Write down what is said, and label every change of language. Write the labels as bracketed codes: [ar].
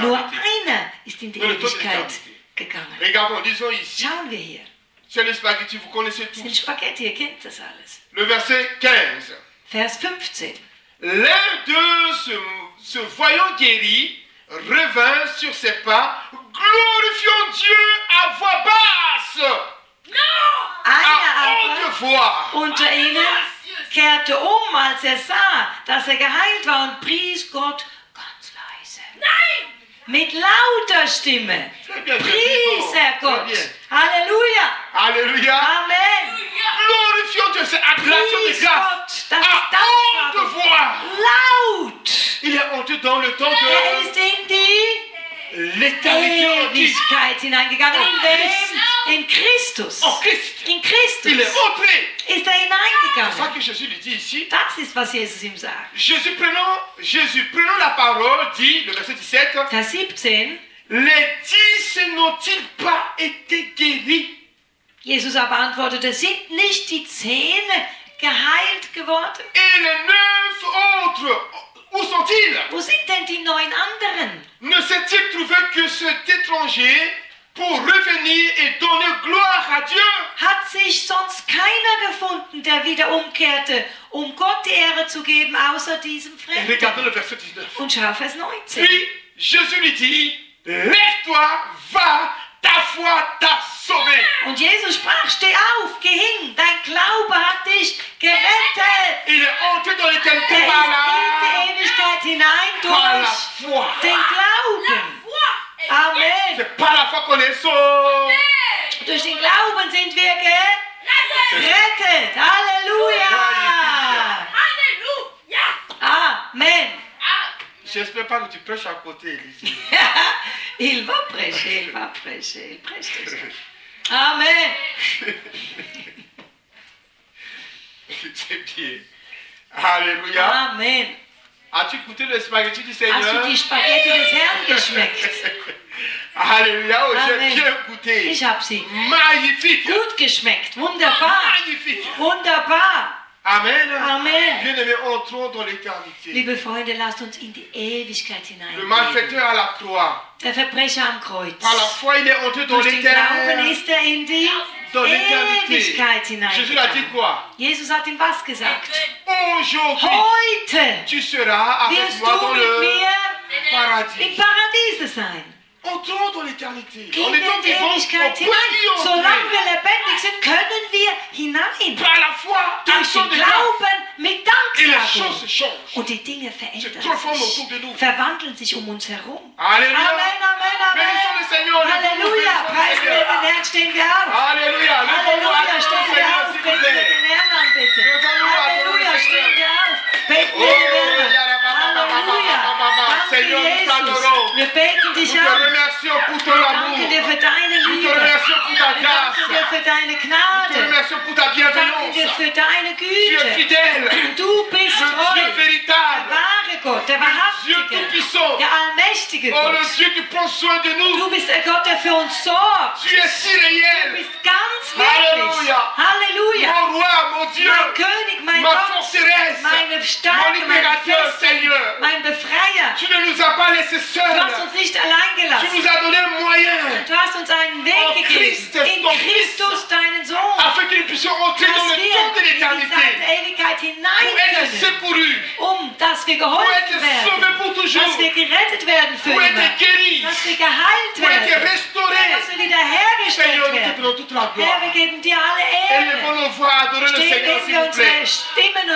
[de] Nur einer ist in die Ewigkeit. Gegangen. [fr] Regardons, disons ici. [de] Schauen wir hier. [fr] C'est le spaghetti, vous connaissez tout. C'est le spaghetti, [de] ihr kennt das alles. [fr] Le verset 15. [de] Vers 15. [fr] L'un d'eux, se voyant guéri, revint sur ses pas, glorifiant Dieu à voix basse. Non! À haute voix. [de] Unter ihnen kehrte um, als sah, dass geheilt war und pries Gott ganz leise. Nein! Mit lauter Stimme. Pries er Gott. Halleluja. Halleluja. Amen. [fr] Glorifiant Dieu, c'est acclamation de grâce. À haute voix. [de] Laut. [fr] Il est entré dans le temps de l'éternité. [de] Ewigkeit hineingegangen. In Christus. [fr] En Christ. [de] In Christus. [fr] Il est entré. [de] Ist hineingegangen. [fr] C'est ce que Jésus lui dit ici. [de] Das ist, was Jesus ihm sagt. [fr] Jésus prenant la parole, dit le verset 17. [de] Vers 17. [fr] Les dix n'ont-ils pas été guéris? [de] Jesus aber antwortete, sind nicht die zehn geheilt geworden? [fr] Et les neuf autres, où sont-ils? [de] Wo sind denn die neun anderen? [fr] Ne s'est-il trouvé que cet étranger pour revenir et donner gloire à Dieu? [de] Hat sich sonst keiner gefunden, der wieder umkehrte, Gott die Ehre zu geben, außer diesem Fremden? [fr] Et regardons le verset 19. [de] Und schau vers 19. [fr] Puis Jésus lui dit, lève-toi, va, ta foi t'a sauvé. [de] Und Jesus sprach, steh auf, geh hin, dein Glaube hat dich gerettet. [fr] Il est entré dans l'éternité par la foi. [de] Er ist in die Ewigkeit hinein durch den Glauben. Amen. [fr] C'est pas la foi qu'on est sauvé. [de] Durch den Glauben sind wir gerettet. Halleluja. Halleluja. Amen. [fr] J'espère pas que tu prêches à côté, Élise. Il va prêcher, il va prêcher, il prêche déjà. Amen. C'est bien. Alléluia. Amen. As-tu goûté le spaghetti du Seigneur? [de] Hast du die Spaghetti des Herrn geschmeckt? [fr] Alléluia, oh, j'ai bien goûté. [de] Ich habe sie. [fr] Magnifique. [de] Gut geschmeckt, wunderbar. [fr] Magnifique. [de] Wunderbar. Amen. Amen. [fr] Bien-aimés, entrons dans l'éternité. [de] Liebe Freunde, lasst uns in die Ewigkeit hinein. [fr] Le malfaiteur à la croix. [de] Der Verbrecher am Kreuz. [fr] Par la foi, il est entré dans l'éternité. [de] Durch den Glauben ist in die Ewigkeit hinein. [fr] Jésus a dit quoi? [de] Jesus hat ihm was gesagt? [fr] Aujourd'hui. [de] Heute. [fr] Tu seras avec moi dans le paradis. [de] Im Paradies sein. [fr] Entrons dans l'éternité. [de] In der Ewigkeit hinein. Solange wir lebendig sind, können wir hinein. [fr] Par la foi, [de] durch den Glauben, mit Danksagung. Und die Dinge verändern sich. Verwandeln sich um uns herum. Alléluia. Amen, amen, amen. Halleluja. Preisen wir den Herrn, stehen wir auf. Halleluja. Halleluja, stehen wir auf. Beten wir den Herrn an, bitte. Halleluja, stehen wir auf. Beten wir den Herrn an. [fr] Seigneur, nous t'adorons. Nous te remercions pour ton amour. Nous te remercions pour ta grâce. Nous te remercions pour ta grâce. Nous te remercions pour ta bienveillance. Tu es fidèle. [de] Du bist treu. [fr] Tu es véritable. [de] Der wahre Gott, der wahrhaftige. [fr] Dieu tout-puissant. [de] Der allmächtige Gott. [fr] Oh, le Dieu qui prend soin de nous. [de] Du bist der Gott, der für uns sorgt. [fr] Tu es si réel. [de] Du bist ganz wirklich. [fr] Halleluja. Mon roi, mon Dieu. [de] Mein König, mein Gott. [fr] Ma forteresse. [de] Meine Stärke. [fr] Mon libérateur, Seigneur. [de] Mein Befreier. [fr] Tu ne nous as pas laissé seuls. [de] Du hast uns nicht allein gelassen. [fr] Tu nous as donné le moyen. [de] Du hast uns einen Weg [fr] en [de] gegeben. [fr] Christ, [de] in Christus, deinen Sohn. [fr] Afin que nous puissions entrer dans le temps de l'éternité. [de] Ewigkeit hinein können, [fr] secouru, [de] um dass wir geholfen werden, dass wir gerettet werden für immer, [fr] guéri, [de] dass wir geheilt werden, [fr] restauré, [de] dass wir wiederhergestellt werden. Herr, wir geben dir alle Ehre. Stimmen